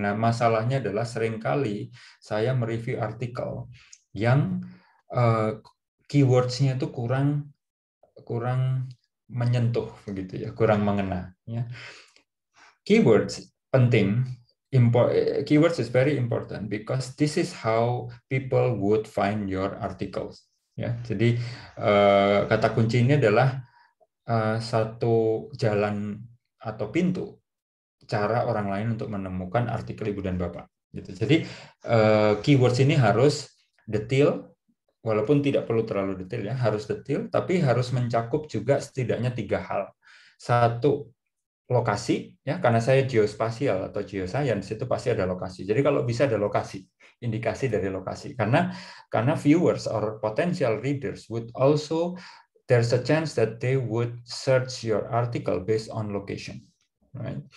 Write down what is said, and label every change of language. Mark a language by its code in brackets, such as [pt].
[id] Nah, masalahnya adalah seringkali saya mereview artikel yang keywordsnya itu kurang menyentuh, begitu ya, kurang mengena. Ya. Keywords penting. [en] Keywords is very important because this is how people would find your articles. [id] Ya, jadi kata kuncinya adalah satu jalan atau pintu cara orang lain untuk menemukan artikel ibu dan bapak. Gitu. Jadi keywords ini harus detail, walaupun tidak perlu terlalu detail ya, harus detail, tapi harus mencakup juga setidaknya tiga hal. Satu, lokasi ya, karena saya geospasial atau geoscience, itu pasti ada lokasi. Jadi kalau bisa ada lokasi, indikasi dari lokasi, karena [en] viewers or potential readers would also, there's a chance that they would search your article based on location, right?